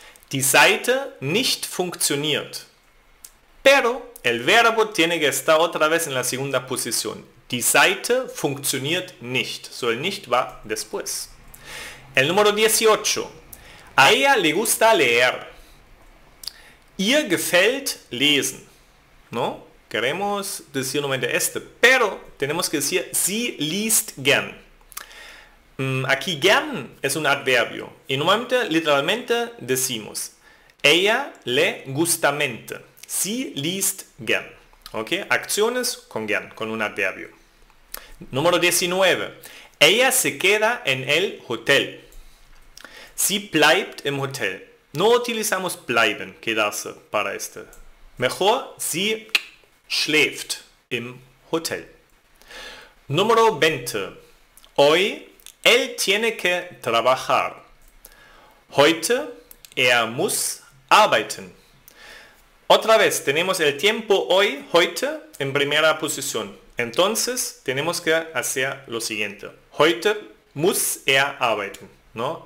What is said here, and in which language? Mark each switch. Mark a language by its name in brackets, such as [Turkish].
[German] Die Seite nicht funktioniert. [Spanish] Pero el verbo tiene que estar otra vez en la segunda posición. [German] Die Seite funktioniert nicht. [Spanish] So el nicht va después. El número 18. A ella le gusta leer. [German] Ihr gefällt lesen. [Spanish] ¿No? Queremos decir nuevamente este, pero tenemos que decir [German] sie liest gern. [Spanish] Aquí gern es un adverbio y normalmente, literalmente decimos ella lee gustamente. [German] Sie liest gern. [Spanish] ¿Ok? Acciones con gern, con un adverbio. Número 19. Ella se queda en el hotel. [German] Sie bleibt im hotel. [Spanish] No utilizamos bleiben, quedarse, para este. Mejor, [German] sie schläft im Hotel. [Spanish] Número 20. Hoy, él tiene que trabajar. [German] Heute, er muss arbeiten. [Spanish] Otra vez, tenemos el tiempo hoy, heute, en primera posición. Entonces, tenemos que hacer lo siguiente. [German] Heute muss er arbeiten. [Spanish] ¿No?